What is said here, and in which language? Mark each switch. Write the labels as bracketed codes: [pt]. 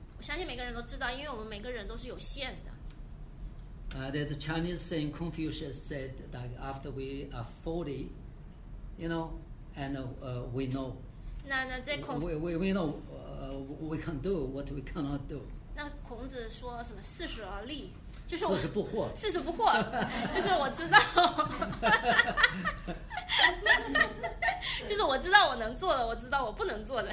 [zh] 我相信每个人都知道，因为我们每个人都是有限的。 [en] There's a Chinese saying Confucius said that after we are 40, you know, and we know. [zh] 那在孔。 [en] We know we can do what we cannot do. [zh] 那孔子说什么四十而立。四十不惑，四十不惑，就是我知道，就是我知道我能做的，我知道我不能做的。